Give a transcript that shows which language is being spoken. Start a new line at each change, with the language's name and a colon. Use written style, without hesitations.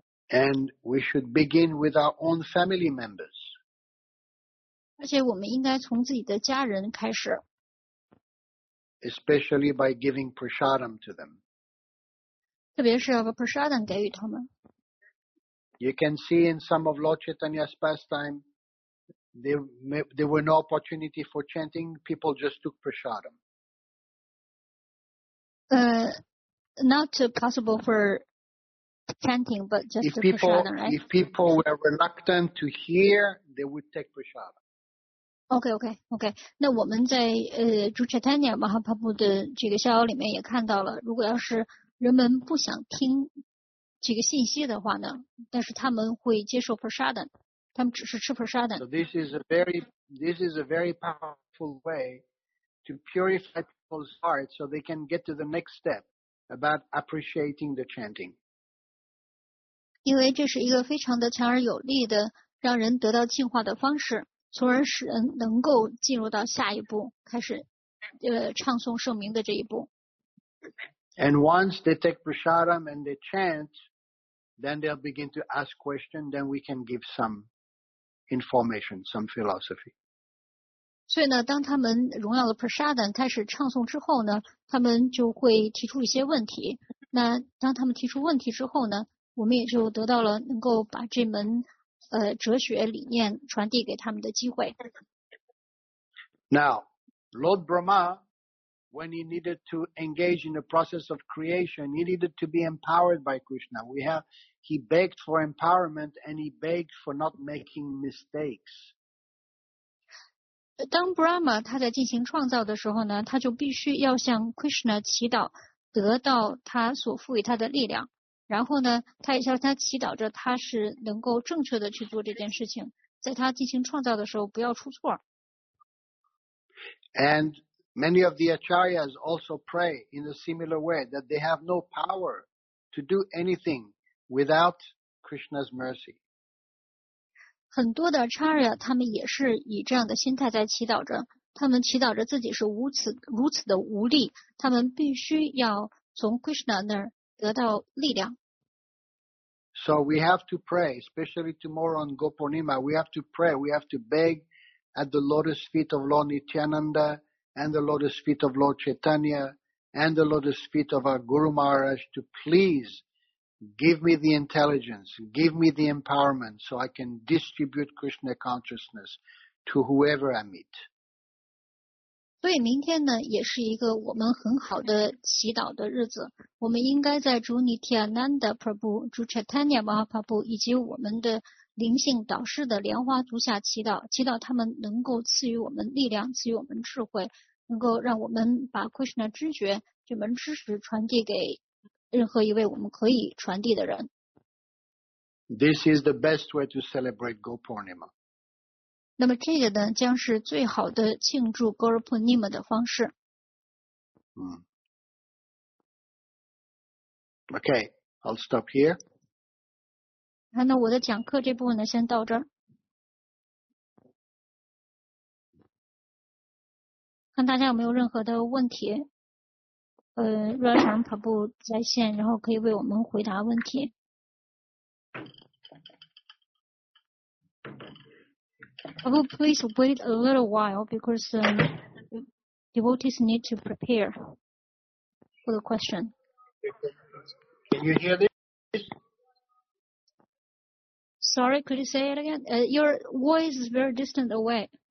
English: And we should begin with our own family members.
Chinese: 而且我们应该从自己的家人开始
English: especially by giving prasadam to them
Chinese: 特别是要把 prasadam 给予他们
English: You can see in some of Lord Chaitanya's pastime there were no opportunity for chanting people just took prasadam not possible for chanting but just prasadam、 right? if people were reluctant to hear they would take prasadam
Chinese: OK. 那我们在朱查丹尼亚马哈帕布的这个逍遥里面也看到了，如果要是人们不想听这个信息的话呢，但是他们会接受 prasadam， 他们只是吃 prasadam。
English: So this is a very powerful way to purify people's hearts so they can get to the next step about appreciating the chanting。
Chinese: 因为这是一个非常的强而有力的让人得到净化的方式。从而使人能够进入到下一步，开始唱诵圣名的这一步。
English: And once they take prasadam and they chant, then they'll begin to ask questions. Then we can give some information, some philosophy.
Chinese: 所以呢，当他们荣耀了 prasadam 开始唱诵之后呢，他们就会提出一些问题。那当他们提出问题之后呢，我们也就得到了能够把这门。哲学理念传递给他们的机会。
English: Now, Lord Brahma, when he needed to engage in the process of creation, he needed to be empowered by Krishna. He begged for empowerment and he begged for not making mistakes.
Chinese: 当 Brahma 他在进行创造的时候呢，他就必须要向 Krishna 祈祷，得到他所赋予他的力量。然后呢，他也向他祈祷着，他是能够正确的去做这件事情，在他进行创造的时候不要出错。
English: And many of the acharyas also pray in a similar way that they have no power to do anything without Krishna's mercy.
Chinese: 很多的 acharya 他们也是以这样的心态在祈祷着，他们祈祷着自己是如此的无力，他们必须要从 Krishna 那儿。
English: So we have to pray, especially tomorrow on Gopurnima, we have to pray, we have to beg at the lotus feet of Lord Nityananda and the lotus feet of Lord Chaitanya and the lotus feet of our Guru Maharaj to please give me the intelligence, give me the empowerment so I can distribute Krishna consciousness to whoever I meet.
Chinese: 所以明天呢也是一个我们很好的祈祷的日子。我们应该在主尼提亚南达普布、主查坦尼亚马哈帕布以及我们的灵性导师的莲花足下祈祷，祈祷他们能够赐予我们力量，赐予我们智慧，能够让我们把 Krishna 知觉这门知识传递给任何一位我们可以传递的人。
English: This is the best way to celebrate Gopurnima.
Chinese: 那么这个呢将是最好的庆祝 Gopurnima 的方式。
English: Okay, I'll stop here.
Chinese: 好，那我的讲课这部分呢，先到这儿。看大家有没有任何的问题。若尔跑步在线，然后可以为我们回答问题。
English: Prabhu, please wait a little while because devotees need to prepare for the question. Can you hear this? Sorry, could you say it again? Your voice is very distant away.